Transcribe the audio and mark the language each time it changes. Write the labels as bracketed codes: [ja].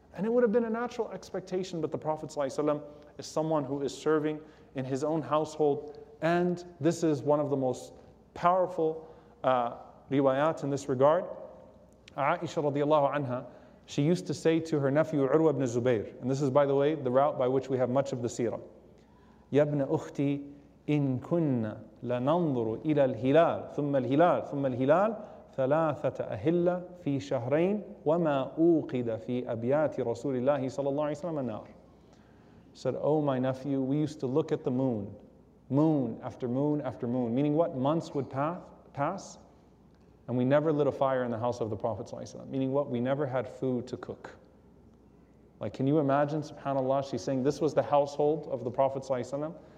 [en] And it would have been a natural expectation, but the Prophet ﷺ is someone who is serving in his own household. And this is one of the most powerful riwayat in this regard. Aisha radiallahu anha, she used to say to her nephew Urwa ibn Zubayr, and this is, by the way, the route by which we have much of the seerah. [ar] Yabna ukhti in kunna لَنَنْظُرُ إِلَى الْهِلَالِ ثُمَّ الْهِلَالِ ثُمَّ الْهِلَالِ ثَلَاثَةَ أَهِلَّ فِي شَهْرَيْنِ وَمَا أُوْقِدَ فِي أَبْيَاتِ رَسُولِ اللَّهِ صَلَى اللَّهِ عَلَيْهِ وَسَلَّمَ النَّارِ. [en] Said, oh my nephew, we used to look at the moon, moon after moon after moon, meaning what? Months would pass, and we never lit a fire in the house of the Prophet ﷺ, meaning what? We never had food to cook. Like, can you imagine, subhanAllah, she's saying, this was the household of the Prophet ﷺ.